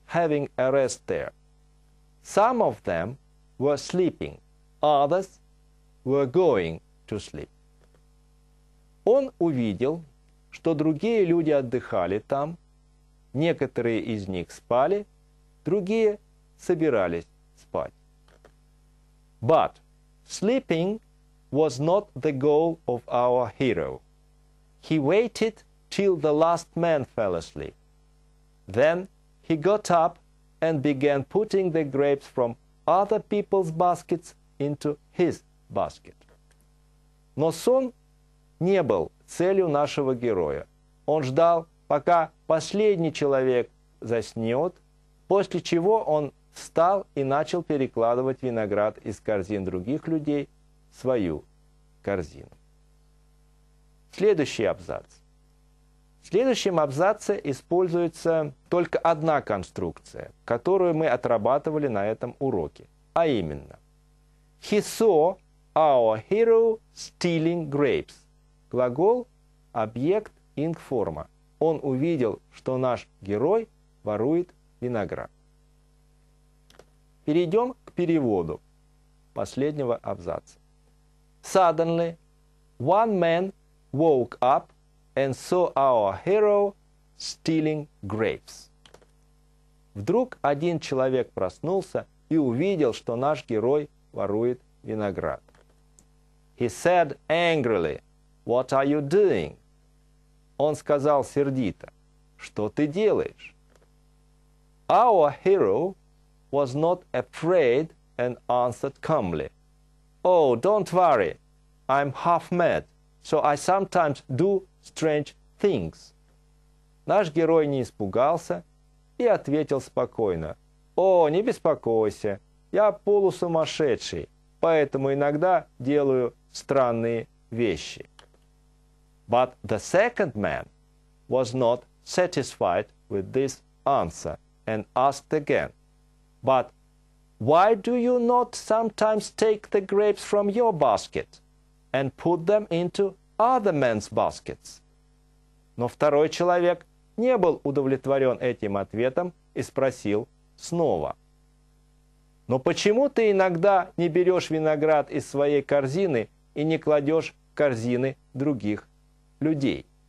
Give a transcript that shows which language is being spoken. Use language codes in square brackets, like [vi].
[en] having a rest there. Some of them were sleeping, others were going to sleep. [ru] Он увидел, что другие люди отдыхали там, некоторые из них спали, другие собирались спать. [en] But sleeping was not the goal of our hero. He waited till the last man fell asleep. Then he got up and began putting the grapes from other people's baskets into his basket. [ru] Но сон не был целью нашего героя. Он ждал, пока последний человек заснет, после чего он встал и начал перекладывать виноград из корзин других людей в свою корзину. Следующий абзац. В следующем абзаце используется только одна конструкция, которую мы отрабатывали на этом уроке, а именно: [en] He saw our hero stealing grapes. [ru] Глагол, объект, ингформа. Он увидел, что наш герой ворует виноград. Перейдем к переводу последнего абзаца. [en] Suddenly, one man woke up and saw our hero stealing grapes. [ru] Вдруг один человек проснулся и увидел, что наш герой ворует виноград. [en] He said angrily, "What are you doing?" [ru] Он сказал сердито, "Что ты делаешь?" [en] Our hero was not afraid and answered calmly, "Oh, don't worry, I'm half mad, so I sometimes do strange things." [ru] Наш герой не испугался и ответил спокойно, "О, не беспокойся, я полусумасшедший, поэтому иногда делаю странные вещи." [en] But the second man was not satisfied with this answer and asked again, "But why do you not sometimes take the grapes from your basket and put them into other men's baskets?" [ru] Но второй человек не был удовлетворен этим ответом и спросил снова. "Но почему ты иногда не берешь виноград из своей корзины и не кладешь в корзины других людей?"